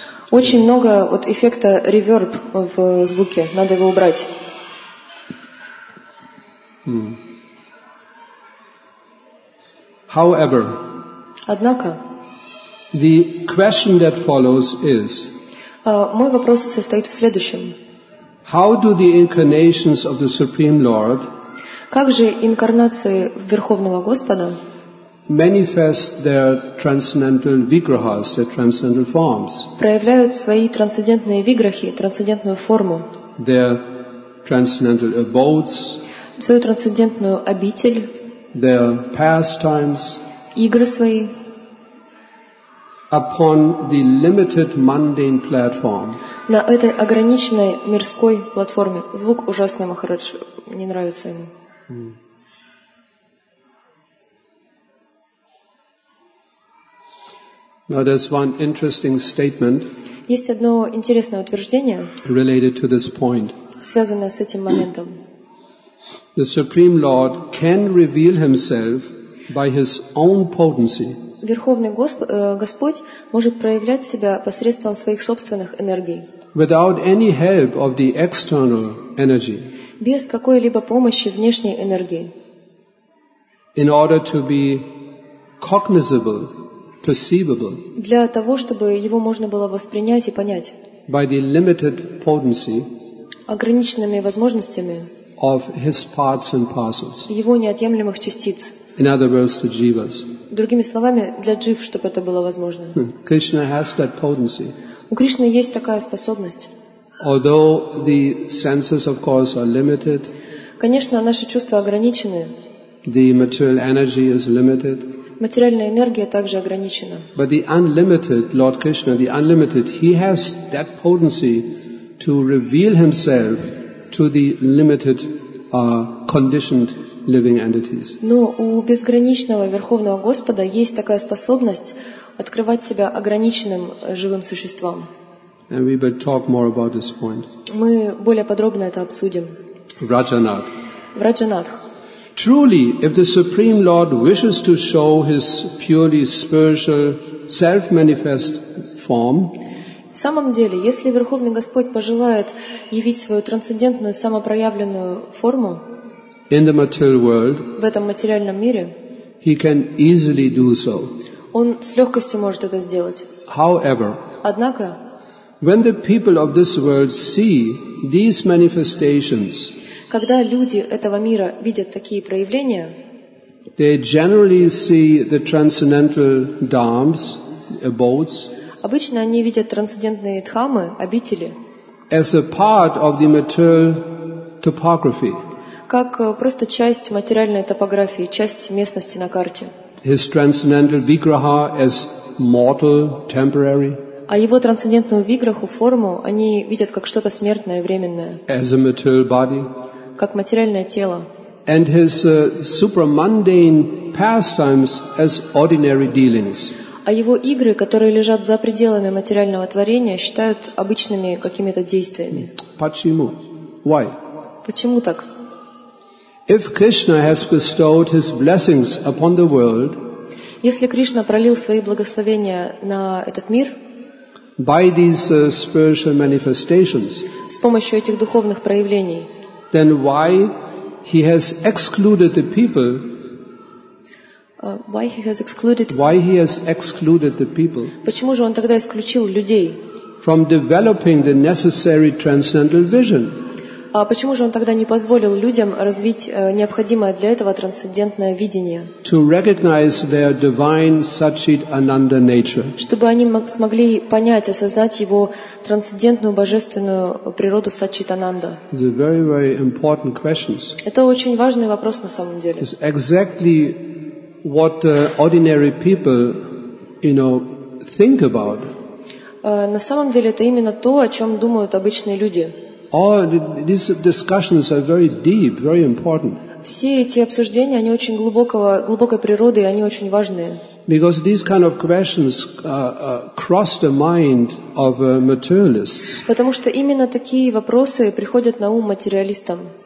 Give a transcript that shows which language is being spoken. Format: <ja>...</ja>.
<ru>Очень много вот эффекта реверб в звуке, надо его убрать.</ru> <en>However,</en> <ru>однако,</ru> <en>the question that follows is,</en> <ru>мой вопрос состоит в следующем.</ru> <en>How do the incarnations of the Supreme Lord</en> <ru>Как же инкарнации Верховного Господа</ru> <en>manifest their transcendental vigrahas, their transcendental forms?</en> <ru>Проявляют свои трансцендентные виграхи, трансцендентную форму.</ru> <en>Their transcendental abodes.</en> <ru>Свою трансцендентную обитель.</ru> <en>Their pastimes.</en> <ru>Игры свои.</ru> <en>Upon the limited mundane platform.</en> <ru>На этой ограниченной мирской платформе. Звук ужасный, Махарадж, не нравится ему.</ru> <en>Now there's one interesting statement.</en> <ru>Есть одно интересное утверждение.</ru> <en>Related to this point.</en> <ru>Связанное с этим моментом.</ru> <en>The Supreme Lord can reveal Himself by His own potency.</en> <ru>Верховный Господь может проявлять себя посредством своих собственных энергий.</ru> <en>Without any help of the external energy.</en> <ru>Без какой-либо помощи внешней энергии.</ru> <en>In order to be cognizable, perceivable.</en> <ru>Для того, чтобы его можно было воспринять и понять.</ru> <en>By the limited potency.</en> <ru>ограниченными возможностями</ru> <en>of his parts and parcels.</en> <ru>Его неотъемлемых частиц.</ru> <en>In other words, the jivas.</en> <ru>Другими словами, для джив, чтобы это было возможно.</ru> <en>Krishna has that potency.</en> <ru>У Кришны есть такая способность.</ru> <en>Although the senses, of course, are limited.</en> <ru>Конечно, наши чувства ограничены.</ru> <en>The material energy is limited.</en> <ru>Материальная энергия также ограничена.</ru> <en>But the unlimited Lord Krishna, the unlimited, he has that potency to reveal himself to the limited, conditioned living entities.</en> <ru>Но у безграничного Верховного Господа есть такая способность открывать себя ограниченным живым существам.</ru> <en>And we will talk more about this point.</en> <ru>Мы более подробно это обсудим. Враджанат. Враджанатх.</ru> <en>Truly, if the Supreme Lord wishes to show His purely spiritual, self-manifest form,</en> <ru>в самом деле, если Верховный Господь пожелает явить свою трансцендентную, самопроявленную форму</ru> <en>in the material world,</en> <ru>в этом материальном мире,</ru> <en>He can easily do so.</en> <ru>Он с легкостью может это сделать.</ru> <en>However,</en> <ru>однако,</ru> <en>when the people of this world see these manifestations,</en> <ru>когда люди этого мира видят такие проявления,</ru> <en>they generally see the transcendental dharms, abodes,</en> <ru>обычно они видят трансцендентные дхамы, обители,</ru> <en>as a part of the material topography,</en> <ru>как просто часть материальной топографии, часть местности на карте.</ru> <en>His transcendental vigraha as mortal, temporary.</en> <ru>А его трансцендентную виграху, форму, они видят как что-то смертное, временное.</ru> <en>As a material body.</en> <ru>Как материальное тело.</ru> <en>And his supramundane pastimes as ordinary dealings.</en> <ru>А его игры, которые лежат за пределами материального творения, считают обычными какими-то действиями. Почему?</ru> <en>Why?</en> <ru>Почему так?</ru> <en>If Krishna has bestowed his blessings upon the world,</en> <ru>если Кришна пролил свои благословения на этот мир,</ru> <en>by these spiritual manifestations,</en> <ru>с помощью этих духовных проявлений,</ru> <en>then why he has excluded the people? Why he has excluded the people?</en> <ru>Почему же он тогда исключил людей?</ru> <en>From developing the necessary transcendental vision.</en> <ru>А почему же он тогда не позволил людям развить необходимое для этого трансцендентное видение?</ru> <en>To recognize their divine Satchit Ananda nature.</en> <ru>Чтобы они смогли понять, осознать его трансцендентную божественную природу Satchit Ananda.</ru> <en>These are very, very important questions.</en> <ru>Это очень важный вопрос на самом деле.</ru> <en>It's exactly what ordinary people, you know, think about.</en> <ru>На самом деле это именно то, о чем думают обычные люди.</ru> <en>All these discussions are very deep, very important.</en> <ru>Все эти обсуждения, они очень глубокой природы, и они очень важные.</ru> <en>Because these kind of questions cross the mind of materialists.</en> <ru>Потому что именно такие вопросы приходят на ум материалистам.</ru>